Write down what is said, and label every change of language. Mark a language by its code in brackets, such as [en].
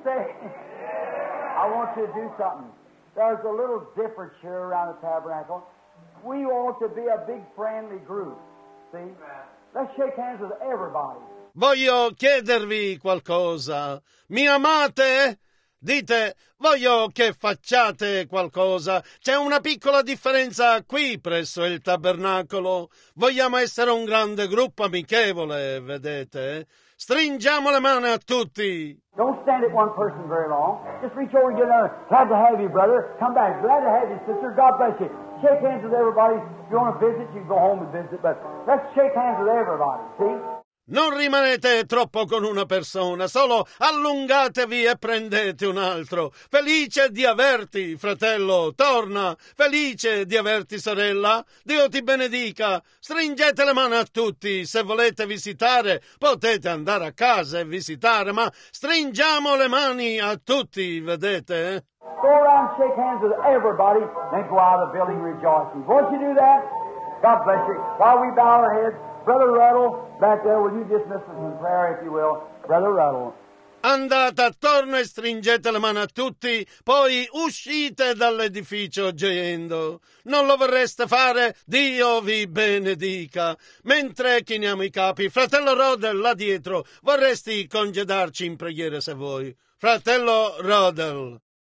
[en] Say, I want you to do something. There's a little difference here around the tabernacle. We want to be a big friendly group. See? Let's shake hands with everybody. [it] Voglio chiedervi qualcosa. Mi amate? Dite, voglio che facciate qualcosa. C'è una piccola differenza qui presso il tabernacolo. Vogliamo essere un grande gruppo amichevole, vedete? Stringiamo le mani a tutti. [en] Don't stand at one person very long. Just reach over and get another. Glad to have you, brother. Come back. Glad to have you, sister. God bless you. Shake hands with everybody. If you want to visit, you can go home and visit. But let's shake hands with everybody, see? [it] Non rimanete troppo con una persona, solo allungatevi e prendete un altro. Felice di averti, fratello, torna. Felice di averti, sorella. Dio ti benedica. Stringete le mani a tutti. Se volete visitare, potete andare a casa e visitare, ma stringiamo le mani a tutti, vedete? [en] Go around, shake hands with everybody, then go out of the building rejoicing. Won't you do that? God bless you. While we bow our heads, Brother Ruddle, back there, will you dismiss us in prayer, if you will? Brother Ruddle. [it] Andate attorno e stringete le mani a tutti, poi uscite dall'edificio gioendo. Non lo vorreste fare? Dio vi benedica. Mentre chiniamo i capi, fratello Rodel, là dietro, vorresti congedarci in preghiera se vuoi. Fratello Rodel.